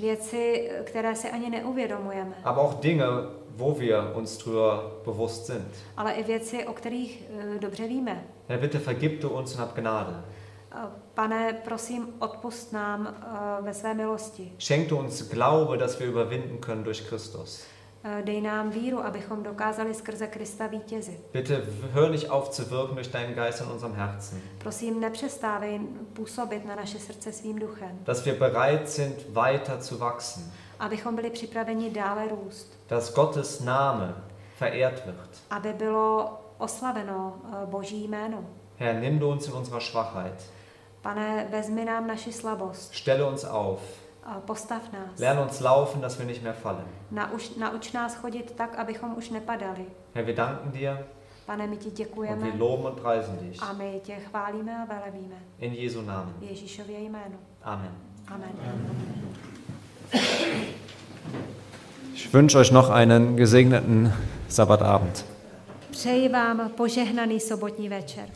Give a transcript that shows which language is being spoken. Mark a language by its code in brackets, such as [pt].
[cs] Věci, které si ani neuvědomujeme. [de] Aber auch Dinge, wo wir uns drüber bewusst sind. [cs] Ale i věci, o kterých dobře víme. [de] Herr, bitte vergib du uns und hab Gnade. [cs] Pane, prosím, odpust nám ve své milosti. [de] Schenk du uns Glaube, dass wir überwinden können durch Christus. [cs] Dej nám víru, abychom dokázali skrze Krista vítězit. [de] Bitte hör nicht auf zu wirken durch deinen Geist in unserem Herzen. [cs] Prosím, nepřestávej působit na naše srdce svým duchem. [de] Dass wir bereit sind, weiter zu wachsen. [cs] Abychom byli připraveni dále růst. [de] Dass Gottes Name verehrt wird. [cs] Aby bylo oslaveno Boží jméno. [de] Herr, nimm du uns in unserer Schwachheit. [cs] Pane, vezmi nám naši slabost. [de] Stelle uns auf. [cs] Postav nás. [de] Lern uns laufen, dass wir nicht mehr fallen. [cs] Nauč nás chodit tak, abychom už nepadali. [de] Herr, wir danken dir. [cs] Pane, my ti děkujeme. [de] Und wir loben und preisen dich. [cs] A my tě chválíme a velebíme. [de] In Jesu Namen. [cs] V Ježíšově jménu. [de] Amen. [cs] Amen. [de] Ich wünsche euch noch einen gesegneten Sabbatabend. [cs] Přeji vám požehnaný sobotní večer.